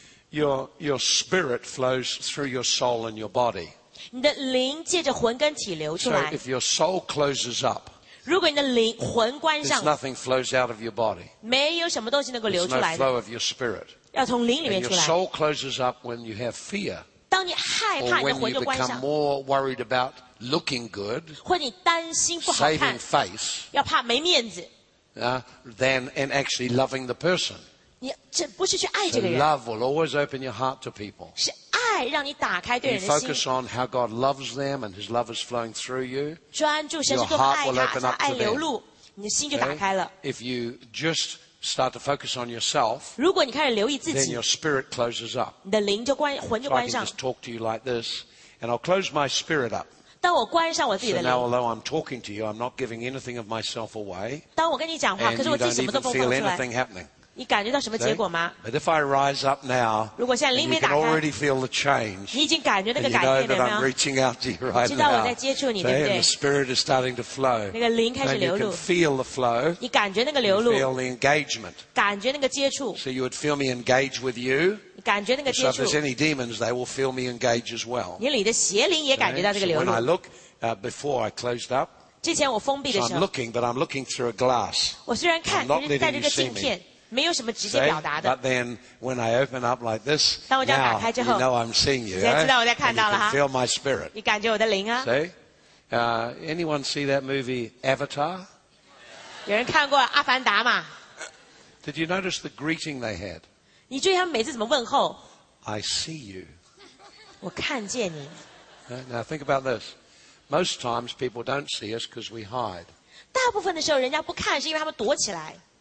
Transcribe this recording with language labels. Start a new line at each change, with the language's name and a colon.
English: Your spirit flows through your soul and your body.
Chinese: 你的灵借着魂跟体流出来。
English: So if your soul closes up,
Chinese: 如果你的灵魂关上,
English: there's nothing flows out of your body.
Chinese: 没有什么东西能够流出来的。
English: There's no flow of your spirit.
Chinese: 要从灵里面出来。
English: And your soul closes up when you have fear.
Chinese: 当你害怕, 你的魂就关上。
English: Or when you become more worried about looking good,
Chinese: 或你担心不好看,
English: saving face,
Chinese: 要怕没面子,
English: than in actually loving the person.
Chinese: 这不是去爱这个人。
English: Love will always open your heart to people.
Chinese: 是爱让你打开对人的心。
English: You focus on how God loves them and His love is flowing through you.
Chinese: 专注神是多么爱他，他爱流露，你的心就打开了。
English: If you just start to focus on yourself,
Chinese: 如果你开始留意自己
English: ，then your spirit closes up.
Chinese: 你的灵就关，魂就关上。
English: So I can just talk to you like this, and I'll close my spirit up.
Chinese: 当我关上我自己的灵。
English: So now, although I'm talking to you, I'm not giving anything of myself away.
Chinese: 当我跟你讲话，可是我自己什么都不放出来。
English: And you don't even feel anything happening.
Chinese: 你感觉到什么结果吗？
English: See? But if I rise up now,
Chinese: 如果现在灵没打开，
English: you can already feel the change,
Chinese: 你已经感觉那个改变了没有？
English: You know that I'm reaching out to you right now.
Chinese: 知道我在接触你，对不对？
English: And the spirit is starting to flow.
Chinese: 那个灵开始流露。
English: And you can feel the flow.
Chinese: 你感觉那个流露。
English: You feel the engagement.
Chinese: 感觉那个接触。
English: So you would feel me engage with you.
Chinese: 你感觉那个接触。
English: So if there's any demons, they will feel me engage as well.
Chinese: 你里的邪灵也感觉到这个流露。
English: So when I look, before I closed up,
Chinese: 之前我封闭的时候。
English: So I'm looking, but I'm looking through a glass.
Chinese: 我虽然看，但是带着个镜片。没有什么直接表达的。
English: But then, when I open up like this,
Chinese: 当我这样打开之后，
English: you know I'm seeing you,
Chinese: 现在知道我在看到了哈。
English: You can feel my spirit.
Chinese: 你感觉我的灵啊。
English: See? Anyone see that movie Avatar?
Chinese: 有人看过阿凡达吗？
English: Did you notice the greeting they had?
Chinese: 你注意他们每次怎么问候？
English: I see you.
Chinese: 我看见你。
English: Now think about this. Most times people don't see us because we hide.
Chinese: 大部分的时候人家不看是因为他们躲起来。